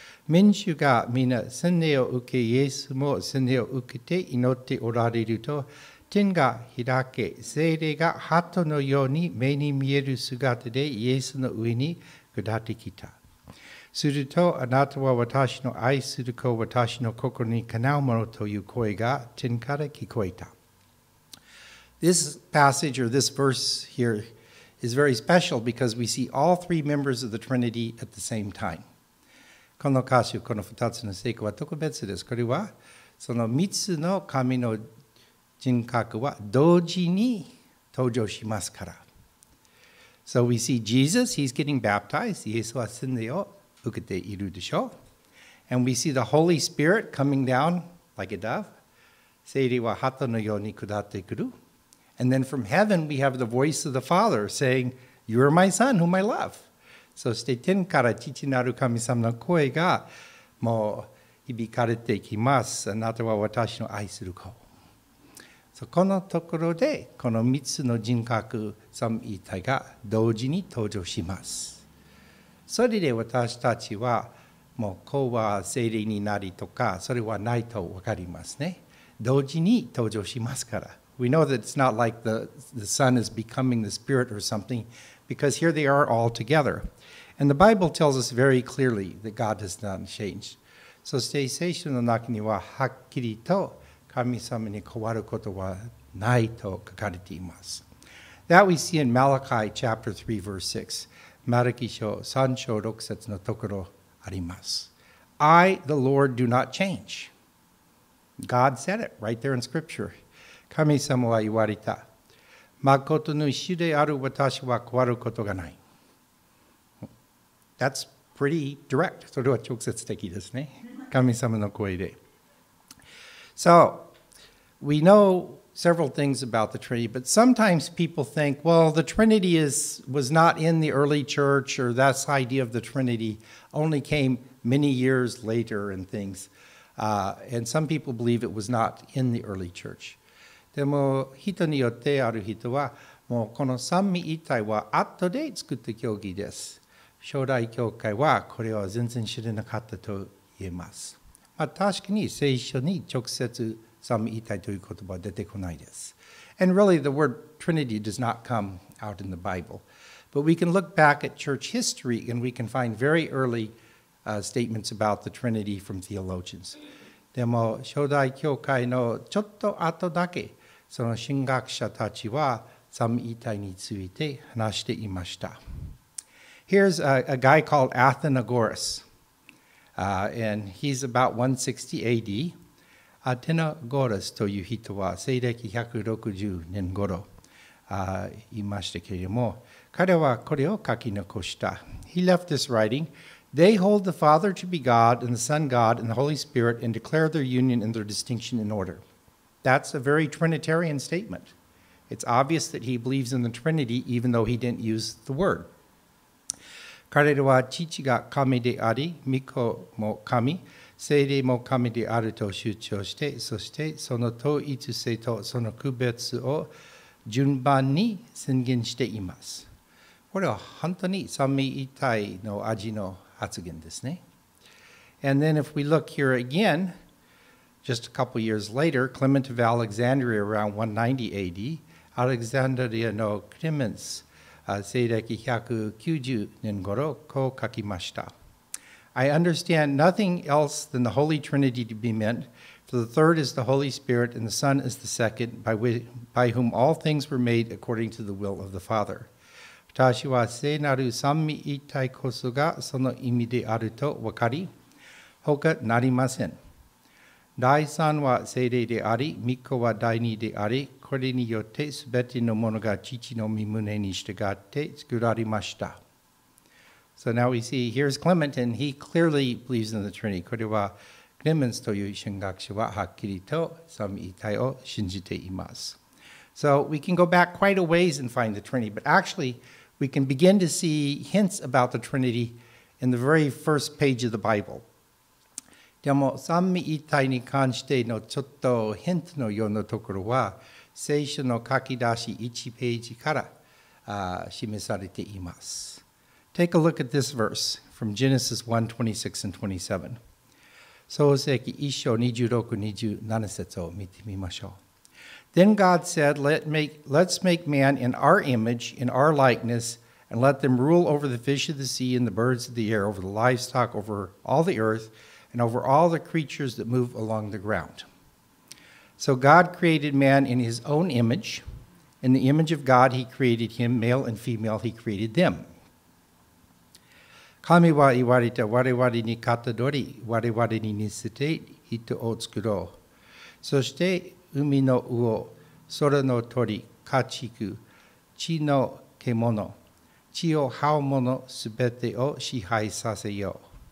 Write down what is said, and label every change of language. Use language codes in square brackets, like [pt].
[ja] 民衆が皆洗礼を受け、イエスも洗礼を受けて祈っておられると、天が開け、聖霊が鳩のように目に見える姿でイエスの上に下ってきた。すると、あなたは私の愛する子、私の心にかなうものという声が天から聞こえた。 [en] This passage or this verse here is very special because we see all three members of the Trinity at the same time. [ja] この箇所、この二つの聖句は特別です。これはその三つの神の人格は同時に登場しますから。 [en] So we see Jesus, he's getting baptized. [ja] イエスは洗礼を受けているでしょう。 [en] And we see the Holy Spirit coming down like a dove. [ja] 聖霊は鳩のように下ってくる。 [en] And then from heaven we have the voice of the Father saying, You are my son whom I love. [ja] そして天から父なる神様の声がもう響かれてきます。あなたは私の愛する子。そこのところでこの3つの人格三位一体が同時に登場します。それで私たちはもう子は聖霊になりとかそれはないと分かりますね。同時に登場しますから。 [en] We know that it's not like the Son is becoming the Spirit or something because here they are all together. And the Bible tells us very clearly that God has not changed. [ja] そして聖書の中にははっきりと神様に変わることはないと書かれています。 [en] That we see in Malachi chapter 3 verse 6. [ja] マルキ書3章6節のところあります。 [en] I, the Lord, do not change. God said it right there in Scripture. [ja] 神様は言われた。誠の主である私は変わることがない。 [en] That's pretty direct. [ja] それは直接的ですね。神様の声で。 [en] So, we know several things about the Trinity, but sometimes people think, well, the Trinity was not in the early church, or that idea of the Trinity only came many years later and things. And some people believe it was not in the early church. [ja] でも人によってある人は、もうこの三位一体は後で作った教義です。初代教会はこれは全然知れなかったと言えます。確かに聖書に直接三位一体という言葉は出てこないです。 [en] And really the word Trinity does not come out in the Bible. But we can look back at church history and we can find very early statements about the Trinity from theologians. [ja] でも初代教会のちょっと後だけその神学者たちは三位一体について話していました。 [en] Here's a guy called Athenagoras. And he's about 160 AD. [ja] アテナゴラスという人は西暦160年頃いましたけれども、彼はこれを書き残した。 [en] He left this writing. They hold the Father to be God and the Son God and the Holy Spirit and declare their union and their distinction in order. That's a very Trinitarian statement. It's obvious that he believes in the Trinity even though he didn't use the word. [ja] 彼らは父が神であり、御子も神、聖霊も神であると主張して、そしてその統一性とその区別を順番に宣言しています。これは本当に三位一体の味の発言ですね。 [en] And then if we look here again, Just a couple years later, Clement of Alexandria, around 190 AD, Alexandria [ja] のクレメンス、西暦190年頃、こう書きました。 [en] I understand nothing else than the Holy Trinity to be meant, for the third is the Holy Spirit, and the Son is the second, by whom all things were made according to the will of the Father. [ja] 私は聖なる三位一体こそがその意味であると分かり、他なりません。第三は聖霊であり、御子は第二であり、これによってすべてのものが父の御胸に従って作られました。 [en] So now we see, here's Clement, and he clearly believes in the Trinity. [ja] これは、クレメンスという神学者ははっきりと三位一体を信じています。 [en] So we can go back quite a ways and find the Trinity, but actually we can begin to see hints about the Trinity in the very first page of the Bible. [ja] でも三位一体に関してのちょっとヒントのようなところは、聖書の書き出し1ページから示されています。 [en] Take a look at this verse from Genesis 1:26 and 27. [ja] 創世記1章26、27節を見てみましょう。 [en] Then God said, let's make man in our image, in our likeness, and let them rule over the fish of the sea and the birds of the air, over the livestock, over all the earth, and over all the creatures that move along the ground. So God created man in his own image. In the image of God, he created him, male and female, he created them. [ja] 神は言われた、我々に型取り、我々に似せて人を作ろう。そして、海の魚、空の鳥、家畜、地の獣、地を這うもの全てを支配させよう。